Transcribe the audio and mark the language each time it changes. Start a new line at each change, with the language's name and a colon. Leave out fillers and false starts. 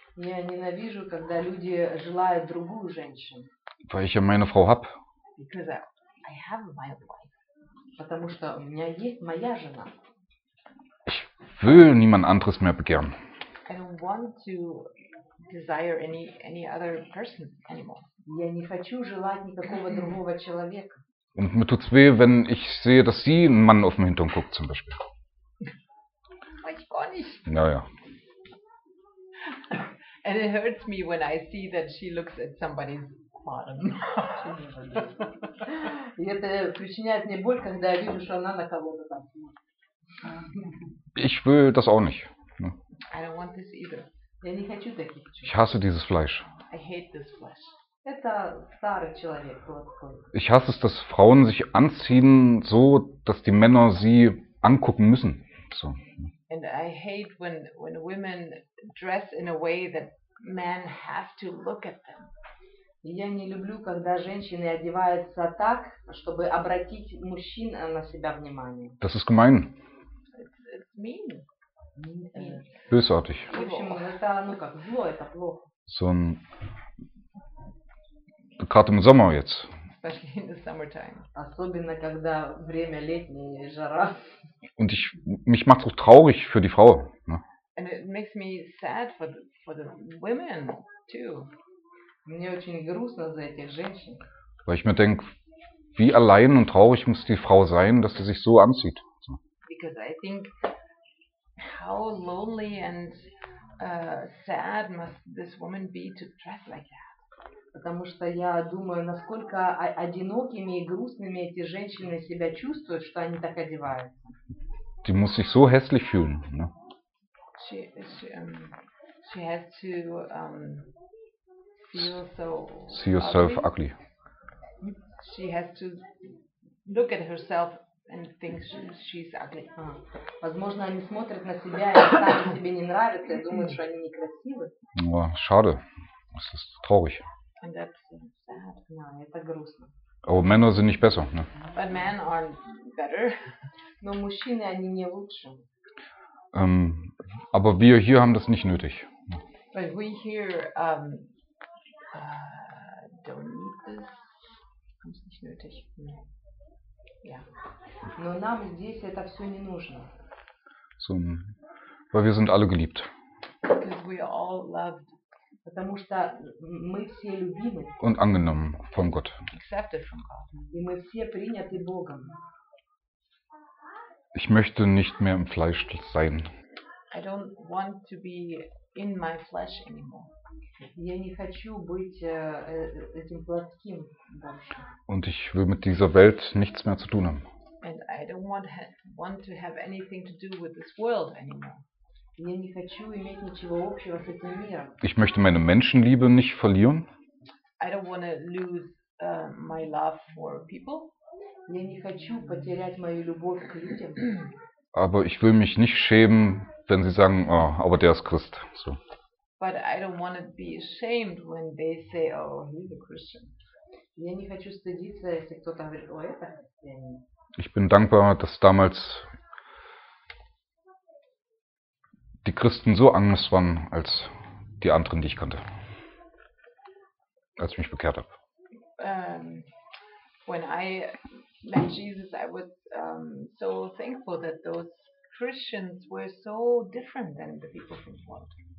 Russian: Я ненавижу, когда люди желают другую женщину.
German: Weil ich ja meine Frau hab.
English: Because I have my wife.
Russian: Потому что у меня есть моя жена.
German: Ich will niemand anderes mehr begehren.
English: I don't want to desire any other person anymore.
Russian: Я не хочу желать никакого другого человека.
German: Und mir tut's weh, wenn ich sehe, dass sie einen Mann auf den Hintern guckt, zum Beispiel. Naja.
English: And it hurts me when I see that she looks at somebody's bottom.
Russian: И это причиняет мне боль, когда я вижу, что она на кого-то там.
German: Ich will das auch nicht.
English: I don't want this either.
Russian: Я не хочу таких.
German: Ich hasse dieses Fleisch.
English: I hate this flesh.
Russian: Это старый человек.
German: Ich hasse es, dass Frauen sich anziehen so, dass die Männer sie angucken müssen. So.
English: And I hate when women dress in a way that men have to look at them.
Russian: Я не люблю, когда женщины одеваются так, чтобы обратить мужчин на себя внимание.
German: Das ist gemein.
English: It's mean.
German: Bösartig.
Russian: В общем, это, ну как, зло, это плохо.
German: So ein... Gerade im Sommer jetzt.
English: Especially in the summertime.
Russian: Особенно, когда время летнее и жара.
German: Und ich, mich macht es auch traurig für die Frau. Ne?
English: And it makes me sad for the women too.
Russian: Мне очень грустно за этих женщин.
German: Weil ich mir denke, wie allein und traurig muss die Frau sein, dass sie sich so anzieht. So.
English: Because I think how lonely and sad must this woman be to dress like that.
Russian: Потому что я думаю, насколько одинокими и грустными эти женщины себя чувствуют, что они так одеваются.
German: Die muss sich so hässlich fühlen, ne?
English: She has to feel so see yourself ugly. She has to look at herself and think she's ugly.
Russian: Возможно, они смотрят на себя и сами себе не нравятся, и думают, что они некрасивы.
German: Ну, schade. Das ist traurig.
English: And that's sad. No,
Russian: это грустно.
German: Aber Männer sind nicht besser, ne?
English: But men aren't better.
Russian: Но мужчины, они не лучше.
German: Aber wir hier haben das nicht nötig.
English: But we here don't need this.
German: Haben es nicht nötig. Ja.
Russian: Но нам здесь это все не нужно.
German: So, weil wir sind alle geliebt.
English: Because we are all loved.
Russian: Потому что мы все любимы.
German: Und angenommen von Gott.
English: Accepted from God.
Russian: И мы все приняты Богом.
German: Ich möchte nicht mehr im Fleisch sein.
English: I don't want to be in my flesh anymore.
Russian: Я не хочу быть этим плотским больше.
German: Und ich will mit dieser Welt nichts mehr zu tun haben.
English: And I don't want to have anything to do with this world anymore.
Russian: Я не хочу иметь ничего общего с этим миром.
German: Ich möchte meine Menschenliebe nicht verlieren.
English: I don't want to lose my love for people.
Russian: Я не хочу потерять мою любовь к людям.
German: Aber ich will mich nicht schämen, wenn sie sagen, oh, aber der ist Christ. So.
English: But I don't want to be ashamed when they say, oh, he's a Christian.
Russian: Я не хочу стыдиться, если кто-то говорит, о, это христианин.
German: Ich bin dankbar, dass damals die Christen so anders waren als die anderen, die ich kannte, als ich mich bekehrt habe.
English: When I met Jesus, I was so thankful that those Christians were so different than the people from the world.